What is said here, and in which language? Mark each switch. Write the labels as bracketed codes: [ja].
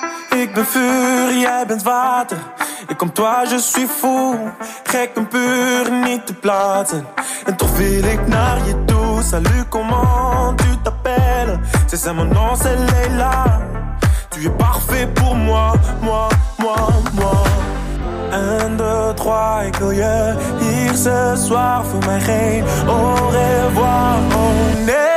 [nl] Ik ben vuur, jij bent water. Ik kom [fr] toi, je suis fou. [nl] Gek en puur, niet te platen. En toch wil ik naar je toe. [fr] Salut, comment tu t'appelles? C'est ça, mon nom, c'est Leila. Tu es parfait pour moi, moi, moi, moi. [nl] 1, 2, 3, ik wil je hier [fr] ce soir. [nl] Voor mij geen [fr] au revoir, [nl] oh nee.